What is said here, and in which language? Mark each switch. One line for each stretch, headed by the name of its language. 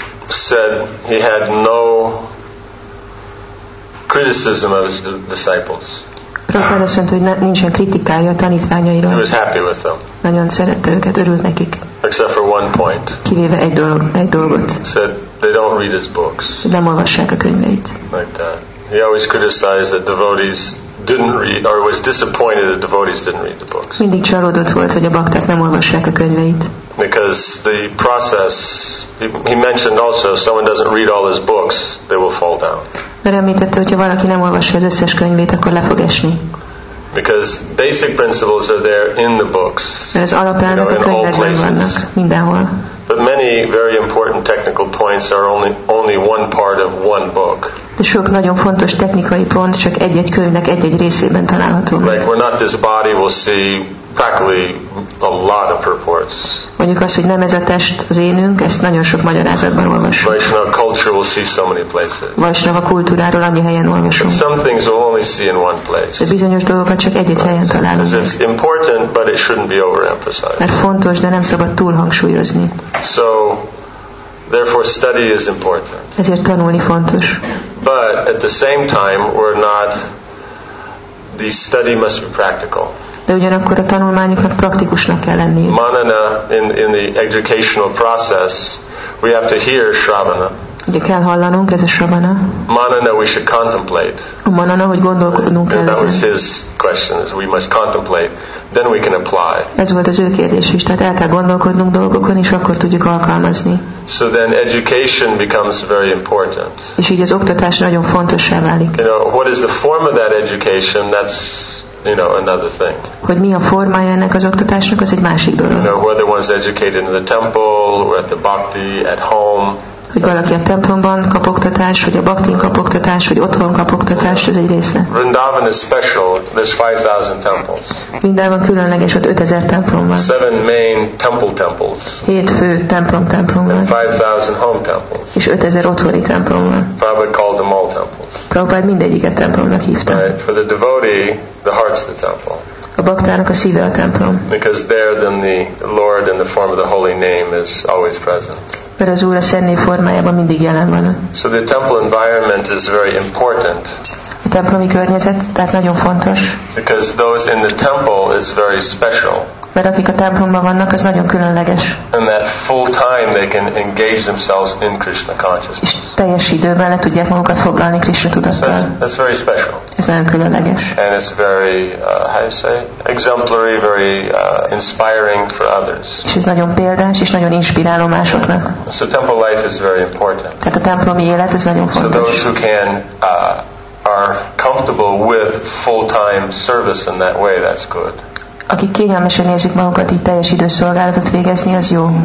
English: Said he had no criticism of his disciples.
Hungarian: Prabhupada azt mondta, hogy nincsen kritikája a tanítványairól.
English: He was happy with them.
Hungarian: Nagyon szerette őket, örült nekik.
English: Except for one point.
Hungarian: Kivéve egy dolgot.
English: Said they don't read his books.
Hungarian: Nem olvassák a könyveit.
English: Like that. He always criticized that devotees didn't read, or was disappointed that devotees didn't read the books.
Hungarian: Mindig csalódott volt, hogy a bakták nem olvassák a könyveit.
English: Because the process, he mentioned also, if someone doesn't read all his books, they will fall down.
Hungarian: Mert említette, hogyha valaki nem olvassa az összes könyvét, akkor le fog esni.
English: Because basic principles are there in the books.
Hungarian: Mert az alapelvek a könyvekben vannak, mindenhol.
English: But many very important technical points are only one part of one book.
Hungarian: De sok nagyon fontos technikai pont csak egy-egy könyvnek egy-egy részében található.
English: Like we're not this body, we'll see practically a lot of purports.
Hungarian: Mondjuk azt, hogy nem ez a test az énünk, ezt nagyon sok magyarázatban olvasunk.
English: Vaishnava culture will see so many places.
Hungarian: Vaishnava kultúráról annyi helyen olvasunk.
English: Some things we'll only see in one place.
Hungarian: De bizonyos dolgokat csak egy-egy helyen találunk.
English: It's important, but it shouldn't be overemphasized.
Hungarian: Mert fontos, de nem szabad túl hangsúlyozni.
English: So, therefore, study is important.
Hungarian: Ezért tanulni fontos.
English: But at the same time, we're not. The study must be practical.
Hungarian: De ugyanakkor a tanulmányoknak praktikusnak kell lenni.
English: Manana, in the educational process, we have to hear shravana.
Hungarian: Ugye kell hallanunk, ez a shravana.
English: Manana, we should contemplate.
Hungarian: Manana, hogy gondolkodnunk kell.
English: That was his question, is we must contemplate, then we can apply.
Hungarian: Ez volt az ő kérdés is, tehát el kell gondolkodnunk dolgokon, és akkor tudjuk alkalmazni.
English: So then education becomes very important.
Hungarian: És így az oktatás nagyon fontossá válik.
English: You know, what is the form of that education, that's, you know, another thing.
Hungarian: Hogy mi a formája ennek az oktatásnak, az egy másik dolog.
English: You know, whether one's educated in the temple, or at the bhakti, at home,
Hungarian: hogy valaki a templomban kap oktatás, hogy a baktin kap oktatás, hogy otthon kap oktatás, ez egy része.
English: Vrindavan is special, there's 5000 temples.
Hungarian: Vrindavan különleges, ott 5000 templom van.
English: 7 main temple temples.
Hungarian: 7 fő templom van.
English: And 5000 home temples.
Hungarian: És 5000 otthoni templom van.
English: Prabhupada called them all temples.
Hungarian: Prabhupada mindegyiket templomnak hívta.
English: Right. For the devotee, the heart's the temple.
Hungarian: A baktának a szíve a templom.
English: Because there then the Lord in the form of the holy name is always present.
Hungarian: Mert az Úr a szentnév formájában mindig jelen van.
English: So the temple environment is very important.
Hungarian: A templomi környezet, tehát nagyon fontos.
English: Because those in the temple is very special.
Hungarian: Mert akik a templomban vannak, az nagyon különleges.
English: And that full time they can engage themselves in Krishna consciousness.
Hungarian: És teljes időben le tudják magukat foglalni Krishna tudattal.
English: That's very special.
Hungarian: Ez nagyon különleges.
English: And it's very, how you say, exemplary, very inspiring for others.
Hungarian: És ez nagyon példás, és nagyon inspiráló másoknak.
English: So temple life is very important.
Hungarian: Tehát a templomi élet, ez nagyon fontos.
English: So those who can are comfortable with full-time service in that way, that's good.
Hungarian: Akik kényelmesen érzik magukat így teljes időszolgálatot végezni, az jó.